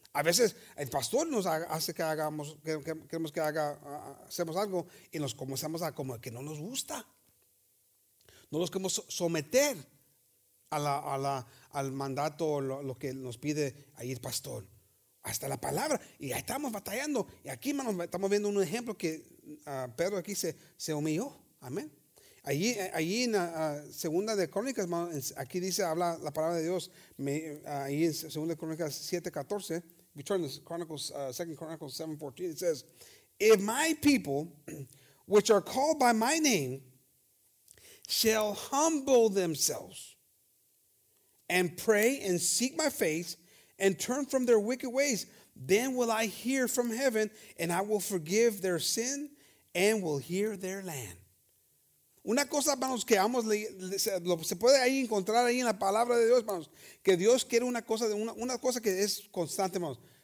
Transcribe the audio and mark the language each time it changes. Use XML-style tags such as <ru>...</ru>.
<es>A veces el pastor nos hace que hagamos, queremos que haga, hacemos algo y nos comenzamos a como que no nos gusta, no los queremos someter al mandato, lo que nos pide ahí el pastor, hasta la palabra, y ahí estamos batallando. Y aquí, hermanos, estamos viendo un ejemplo que Pedro aquí se humilló. Amén. Allí en Segunda de Crónicas, aquí dice, habla la palabra de Dios, ahí en Segunda de Crónicas 7:14,</es> <en>we turn to Second Chronicles 7:14, it says, if my people, which are called by my name, shall humble themselves and pray and seek my face and turn from their wicked ways, then will I hear from heaven, and I will forgive their sin and will hear their land.</en> <es>Una cosa, hermanos, que vamos, se puede ahí encontrar ahí en la palabra de Dios, hermanos, que Dios quiere una cosa que es constante, hermanos.</es>